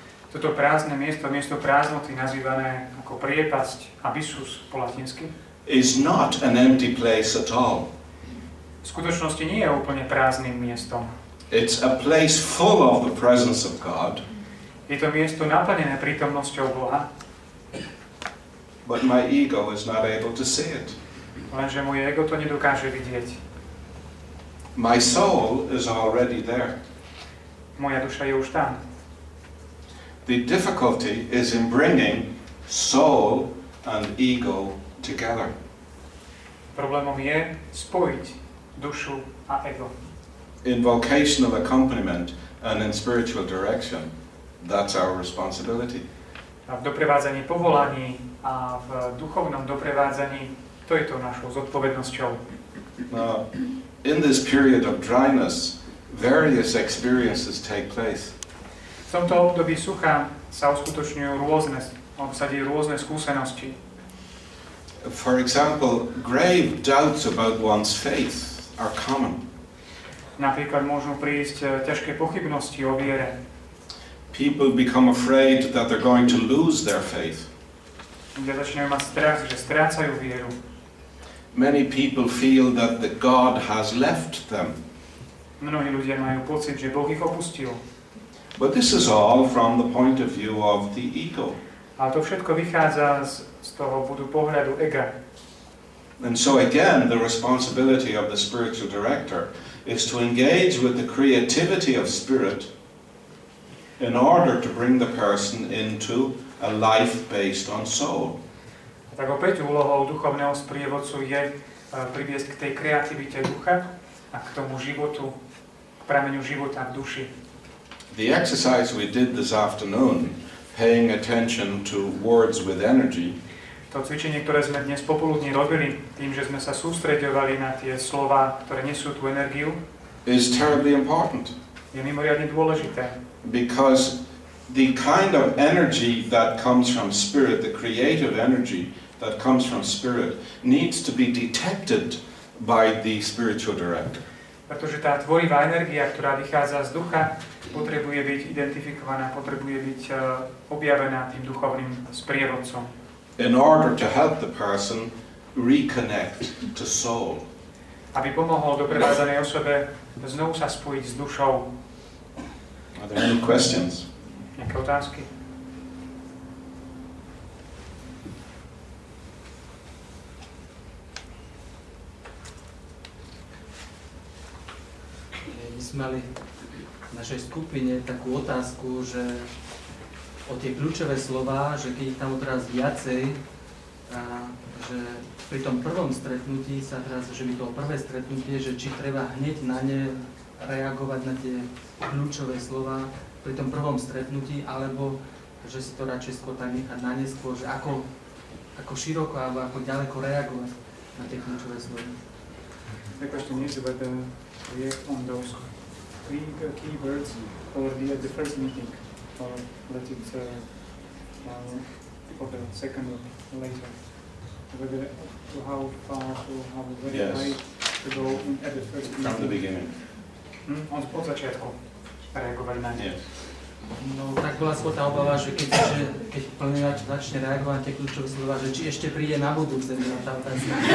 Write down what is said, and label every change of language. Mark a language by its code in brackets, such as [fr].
[sk] Toto prázdne miesto, miesto prázdnoty nazývané ako priepasť, abyssus po latinsky. [en] Is not an empty place at all. [sk] V skutočnosti nie je úplne prázdnym miestom. [en] It's a place full of the presence of God. [sk] Je to miesto naplnené prítomnosťou Boha. [en] But my ego is not able to see it. [sk] Lenže moje ego to nedokáže vidieť. [en] My soul is already there. [sk] Moja duša je už tam. [en] The difficulty is in bringing soul and ego together. [sk] Problémom je spojiť dušu a ego. [en] In vocational accompaniment and in spiritual direction, that's our responsibility. [sk] A v doprevádzaní povolaní a v duchovnom doprevádzaní, to je to našou zodpovednosťou. [en] In this period of dryness, various experiences take place. [sk] V tomto období sucha sa uskutočňujú rôzne, obsadí rôzne skúsenosti. [en] For example, grave doubts about one's faith are common. [sk] Napríklad môžu prísť ťažké pochybnosti o viere. [en] People become afraid that they're going to lose their faith. [sk] Ľudia začínajú mať strach, že strácajú vieru. [en] Many people feel that the God has left them. [sk] Mnohí ľudia majú pocit, že Boh ich opustil. [en] But this is all from the point of view of the ego. [sk] A to všetko vychádza z toho budu pohľadu ega. [en] And so again, the responsibility of the spiritual director is to engage with the creativity of spirit in order to bring the person into a life based on soul. [sk] Tak opäť úlohou duchovného sprievodcu je priviesť k tej kreativite ducha a k tomu životu, k prameňu života v duši. [en] The exercise we did this afternoon, paying attention to words with energy. [sk] To cvičenie, ktoré sme dnes popoludní robili, tým, že sme sa sústreďovali na tie slova, ktoré nesú tú energiu, [en] is terribly important. [sk] Je mimoriadne dôležité. [en] Because the kind of energy that comes from spirit, the creative energy that comes from spirit, needs to be detected by the spiritual director. [sk] Pretože tá tvorivá energia, ktorá vychádza z ducha, potrebuje byť identifikovaná, potrebuje byť objavená tým duchovným sprievodcom. [en] In order to help the person reconnect to soul. [sk] Aby pomohol dobrázanej osobe znovu sa spojiť s dušou. [en] Are there any questions? [sk] Nejaké otázky? My sme mali v našej skupine takú otázku, že o tie kľúčové slova, že keď tam odraz viacej, že pri tom prvom stretnutí sa teraz, že by to prvé stretnutie, že či treba hneď na ne reagovať na tie kľúčové slova pri tom prvom stretnutí, alebo že si to radšej skôr tak nechať na neskôr, že ako široko alebo ako ďaleko reagovať na tie kľúčové slova. [en] The question is about the react on those key words or the first meeting. Or let it for the second or later. Whether to how far to how very yes. High to go in at the first from meeting. The beginning. [sk] On od začiatku reagovať na ne. No tak bola skôr tá obava, že keď plňovač začne reagovať tie kľúčové slova, že či ešte príde na budúce, na tá otázka.